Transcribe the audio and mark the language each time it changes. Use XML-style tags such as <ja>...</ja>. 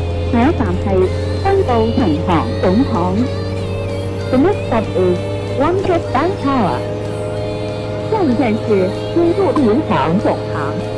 <zh>下一站是新步银行总行。</zh> <en>The next stop is Wangit Bank Tower.</en> <zh>下一站是新步银行总行。</zh>